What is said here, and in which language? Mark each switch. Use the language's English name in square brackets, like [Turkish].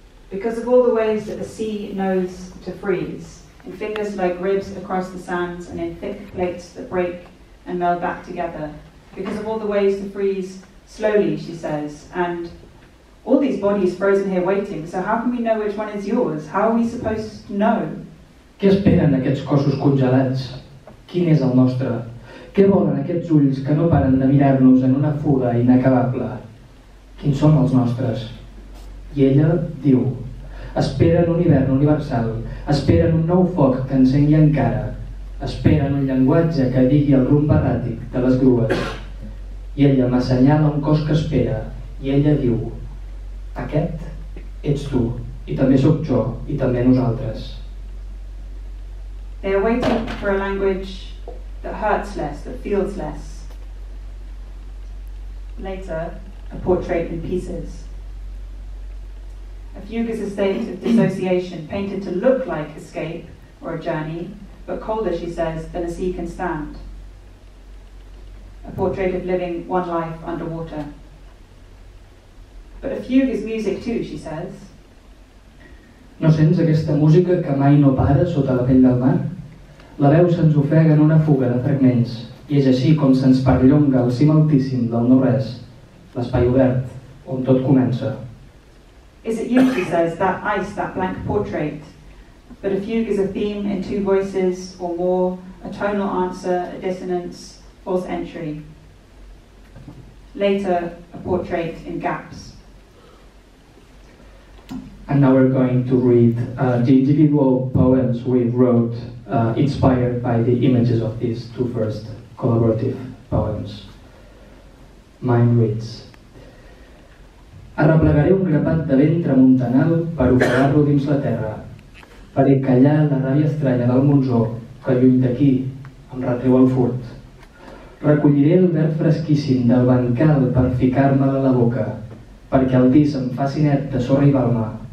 [English] Because of all the ways that the sea knows to freeze, in fingers like ribs across the sands and in thick plates that break and meld back together, because of all the ways to freeze slowly, she says, and all these bodies frozen here waiting, so how can we know which one is yours? How are we supposed to know? [Catalan] Què esperen aquests cossos congelats? Quin és el nostre? Què volen aquests ulls que no paren de mirar-nos en una fuga inacabable? Quins són els nostres? I ella diu, esperen un hivern universal, esperen un nou foc que encengui encara, esperen un llenguatge que digui el rumb erràtic de les grues. I ella m'assenyala un cos que espera, i ella diu, aquest ets tu, i també sóc jo, i també nosaltres. [English] They are waiting for a language that hurts less, that feels less. Later, a portrait in pieces. A fugue is a state of dissociation, painted to look like escape or a journey, but colder, she says, than a sea can stand. A portrait of living one life underwater. But a fugue is music too, she says. [Catalan] No sents aquesta música que mai no para sota la pell del mar? La veu se'ns ofega en una fuga de fragments, i és així com se'ns perllonga el cim altíssim del no-res, l'espai obert, on tot comença. [English] Is it you, she says, that ice, that blank portrait? But a fugue is a theme in two voices, or more, a tonal answer, a dissonance, false entry. Later, a portrait in gaps. And now we're going to read the individual poems we wrote inspired by the images of these two first collaborative poems. Mine reads. [Catalan] Arreplegaré un grapat de vent tramuntanal per ofegar-lo dins la terra, per encallar la ràbia estranya del monzó que lluny d'aquí em retreu el furt. Recolliré el verd fresquíssim del bancal per ficar-me'l a la boca, perquè el dís em faci net de sorra i balma.